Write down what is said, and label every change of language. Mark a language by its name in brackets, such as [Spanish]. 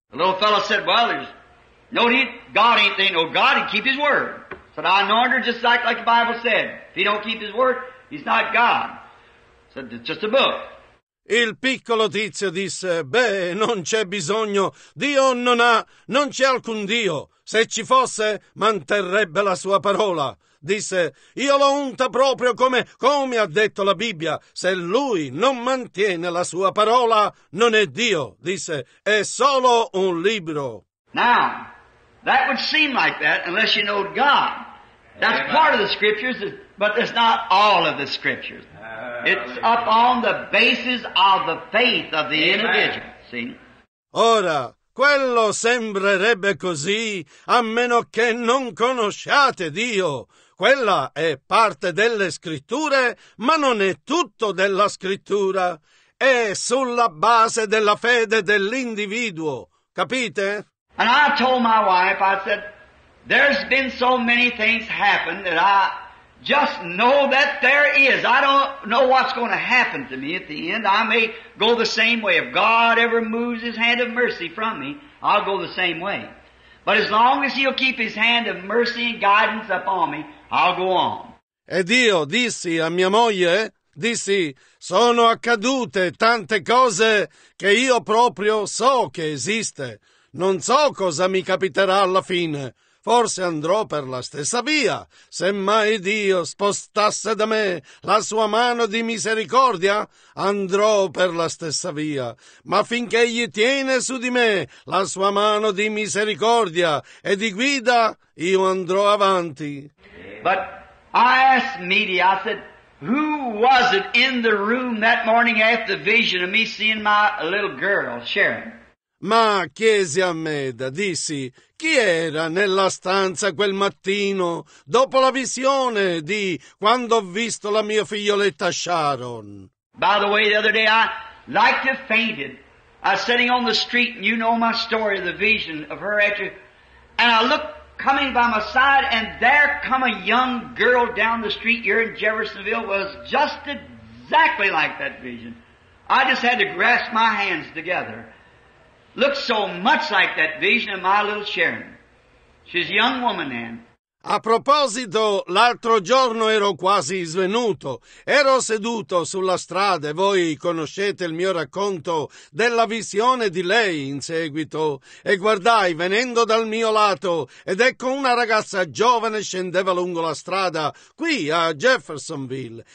[English] The little fellow said, well, there's no need, God ain't there, no God, he'd keep his word. Said, I know her just like the Bible said. If he don't keep his word, he's not God. Said, it's just a book. [Italian] Il piccolo tizio disse: «Beh, non c'è bisogno, Dio non c'è alcun Dio. Se ci fosse, manterrebbe la sua parola». Disse: «Io l'ho unta proprio come ha detto la Bibbia. Se lui non mantiene la sua parola, non è Dio». Disse: «È solo un libro». [English] Now, that would seem like that unless you know God. That's part of the scriptures, but it's not all of the scriptures. It's up on the basis of the faith of the individual. See? [Italian] Ora, quello sembrerebbe così a meno che non conosciate Dio. Quella è parte delle scritture, ma non è tutto della scrittura. È sulla base della fede dell'individuo. Capite? [English] And I told my wife, I said, there's been so many things happen that I just know that there is. I don't know what's going to happen to me at the end. I may go the same way. If God ever moves his hand of mercy from me, I'll go the same way. But as long as he'll keep his hand of mercy and guidance upon me, I'll go on. [Italian] Ed io dissi a mia moglie, dissi, sono accadute tante cose che io proprio so che esiste. Non so cosa mi capiterà alla fine. Forse andrò per la stessa via. Semmai Dio spostasse da me la sua mano di misericordia, andrò per la stessa via. Ma finché egli tiene su di me la sua mano di misericordia e di guida, io andrò avanti. [English] But I asked media, I said, who was it in the room that morning after the vision of me seeing my little girl, Sharon? [Italian] Ma chiesi a Meda, dissi, chi era nella stanza quel mattino, dopo la visione di quando ho visto la mia figlioletta Sharon? [English] By the way, the other day I like to fainted. I was sitting on the street, and you know my story, the vision of her at you. And I look coming by my side, and there come a young girl down the street here in Jeffersonville, was just exactly like that vision. I just had to grasp my hands together. Looks so much like that vision of my little Sharon. She's a young woman then. [Italian] A proposito, l'altro giorno ero quasi svenuto. Ero seduto sulla strada e voi conoscete il mio racconto della visione di lei in seguito. E guardai, venendo dal mio lato, ed ecco una ragazza giovane scendeva lungo la strada qui a Jeffersonville.